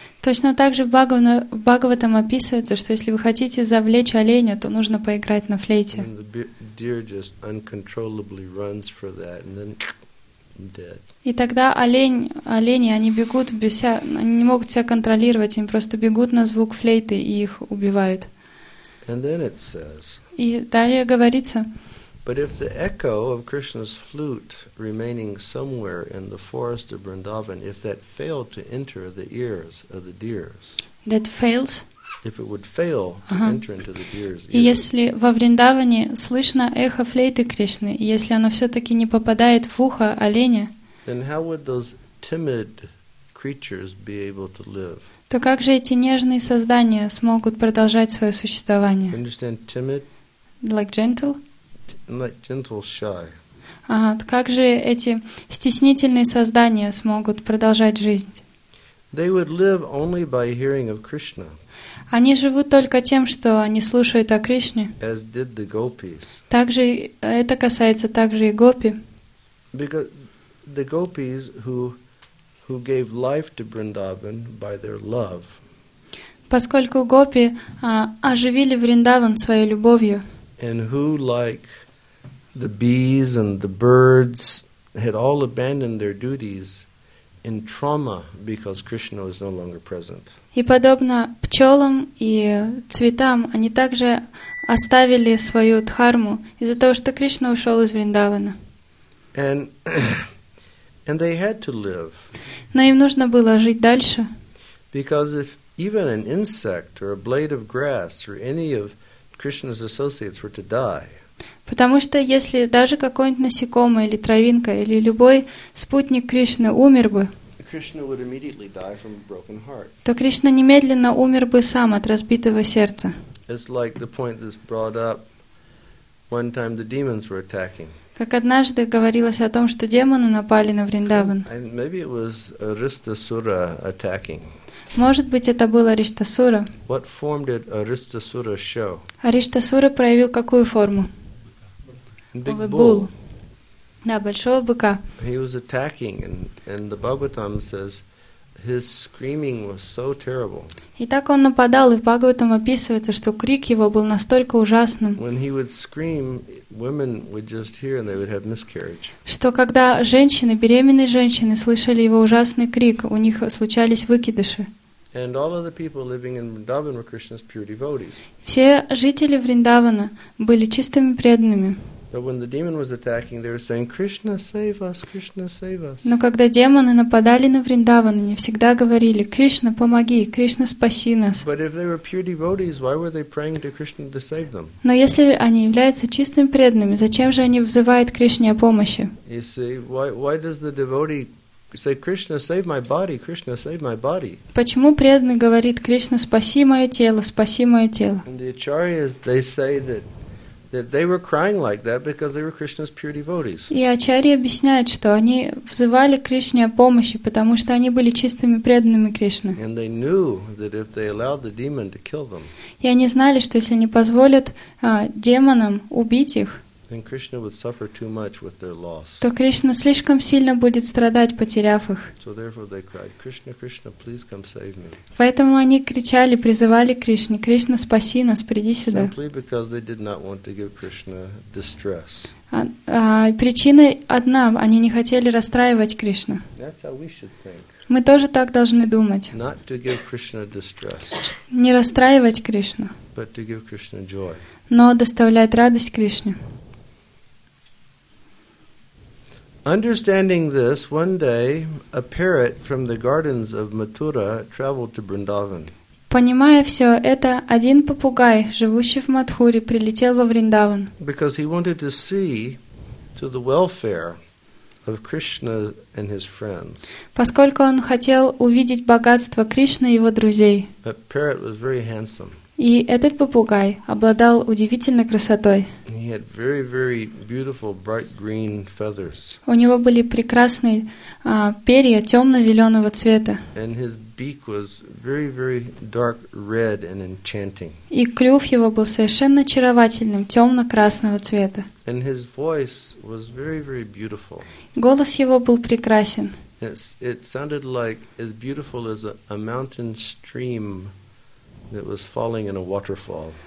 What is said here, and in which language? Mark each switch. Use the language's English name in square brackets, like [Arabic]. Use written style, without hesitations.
[Russian] Точно так же в Бхагаватам описывается, что если вы хотите завлечь оленя, то нужно поиграть на флейте. [English] And the deer just uncontrollably runs for that, and then dead. [Russian] И тогда олени, они бегут они не могут себя контролировать, они просто бегут на звук флейты и их убивают. [English] And then it says. [Russian] И далее говорится. [English] But if the echo of Krishna's flute remaining somewhere in the forest of Vrindavan, if that failed to enter the ears of the deers, that failed, if it would fail to enter into the deers' ears, [Russian] и если во Вриндаване слышно эхо флейты Кришны, и если оно все-таки не попадает в ухо оленя, [English] then how would those timid creatures be able to live? [Russian] То как же эти нежные создания смогут продолжать свое существование? [English] Understand timid? Like gentle? Like gentle, shy. [Russian] Как же эти стеснительные создания смогут продолжать жизнь? [English] They would live only by hearing of Krishna. [Russian] Они живут только тем, что они слушают о Кришне. [English] As did the gopis. [Russian] Также это касается также и гопи. [English] Because the gopis who gave life to Vrindavan by their love. [Russian] Поскольку гопи оживили Вриндаван своей любовью. [English] And who like the bees and the birds had all abandoned their duties in trauma because Krishna was no longer present. [Russian] И подобно пчелам и цветам, они также оставили свою дхарму из-за того, что Кришна ушел из Вриндавана. [English] And they had to live. [Russian] Но им нужно было жить дальше. [English] Because if even an insect or a blade of grass or any of Krishna's associates were to die. [Russian] Потому что если даже какое-нибудь насекомое или травинка или любой спутник Кришны умер бы, [English] Krishna would immediately die from a broken heart. [Russian] То Кришна немедленно умер бы сам от разбитого сердца. [English] It's like the point that's brought up one time the demons were attacking. [Russian] Как однажды говорилось о том, что демоны напали на Вриндаван. [English] And maybe it was Aristasura attacking. [Russian] Может быть, это был Ариштасура. [English] What form did Aristasura show? [Russian] Ариштасура проявил какую форму? [English] Big bull. [Russian] Да, большого быка. [English] He was attacking, and the Bhagavatam says his screaming was so terrible. [Russian] И так он нападал, и в Бхагаватам описывается, что крик его был настолько ужасным. [English] When he would scream, women would just hear and they would have miscarriage. [Russian] Что когда женщины, беременные женщины, слышали его ужасный крик, у них случались выкидыши. [English] And all of the people living in Vrindavan were Krishna's pure devotees. [Russian] Все жители Вриндавана были чистыми преданными. [English] But when the demon was attacking, they were saying, "Krishna, save us! Krishna, save us!" [Russian] Но когда демоны нападали на Вриндаван, они всегда говорили: "Кришна, помоги! Кришна, спаси нас!" [English] But if they were pure devotees, why were they praying to Krishna to save them? [Russian] Но если они являются чистыми преданными, зачем же они взывают Кришне о помощи? [English] You see, why does the devotee say, "Krishna, save my body! Krishna, save my body!" [Russian] Почему преданный говорит: "Кришна, спаси мое тело, спаси мое тело"? [English] And the acharyas, they say that they were crying like that because they were Krishna's pure devotees. [Russian] И ачарьи объясняют, что они взывали к Кришне о помощи, потому что они были чистыми преданными Кришне. [English] And they knew that if they allowed the demon to kill them, [Russian] и они знали, что если они позволят демонам убить их, [English] then Krishna would suffer too much with their loss. [Russian] То Кришна слишком сильно будет страдать, потеряв их. [English] So therefore they cried, "Krishna, Krishna, please come save me." [Russian] Поэтому они кричали, призывали Кришне: "Кришна, спаси нас, приди сюда." [English] Simply because they did not want to give Krishna distress. [Russian] Причина одна: они не хотели расстраивать Кришну. [English] That's how we should think. [Russian] Мы тоже так должны думать. [English] Not to give Krishna distress. [Russian] Не расстраивать Кришну. [English] But to give Krishna joy. [Russian] Но доставлять радость Кришне. [English] Understanding this, one day a parrot from the gardens of Mathura traveled to Vrindavan. [Russian] Понимая все это, один попугай, живущий в Матхуре, прилетел во Вриндаван. [English] Because he wanted to see to the welfare of Krishna and his friends. [Russian] Поскольку он хотел увидеть богатство Кришны и его друзей. [English] The parrot was very handsome. [Russian] И этот попугай обладал удивительной красотой. [English] He had very, very beautiful bright green feathers. [Russian] У него были прекрасные перья темно-зеленого цвета. [English] And his beak was very, very dark red and enchanting. [Russian] И клюв его был совершенно очаровательным, темно-красного цвета. [English] And his voice was very, very beautiful. [Russian] Голос его был прекрасен. [English] It sounded like as beautiful as a mountain stream. It was falling in a waterfall.